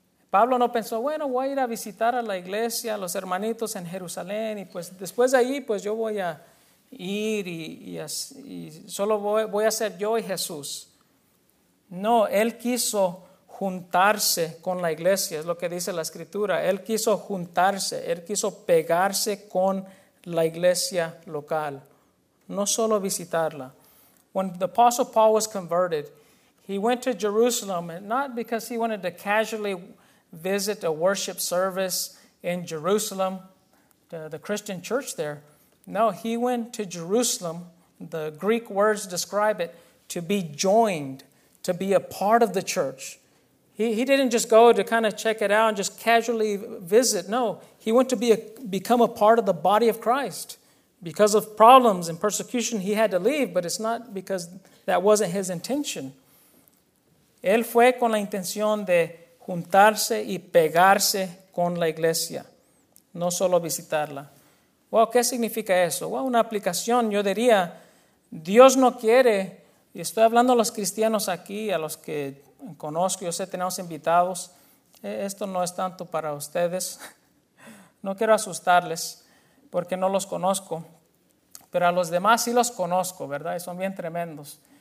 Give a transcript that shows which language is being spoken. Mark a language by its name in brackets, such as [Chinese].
[Spanish] Pablo no pensó, bueno, voy a ir a visitar a la iglesia, a los hermanitos en Jerusalén, y pues después de ahí, pues yo voy a ir y solo voy a ser yo y Jesús. No, él quiso juntarse con la iglesia, es lo que dice la escritura. Él quiso juntarse, él quiso pegarse con la iglesia local, no solo visitarla. [English] When the Apostle Paul was converted, he went to Jerusalem, not because he wanted to casually visit a worship service in Jerusalem, the Christian church there. No, he went to Jerusalem, the Greek words describe it, to be joined, to be a part of the church. He didn't just go to kind of check it out and just casually visit. No, he went to become a part of the body of Christ. Because of problems and persecution, he had to leave, but it's not because that wasn't his intention. [Spanish] Él fue con la intención de juntarse y pegarse con la iglesia, no solo visitarla. Well, ¿qué significa eso? Well, una aplicación, yo diría, Dios no quiere, y estoy hablando a los cristianos aquí, a los que conozco, yo sé, tenemos invitados, esto no es tanto para ustedes, no quiero asustarles, porque no los conozco, pero a los demás sí los conozco, ¿verdad? Y son bien tremendos.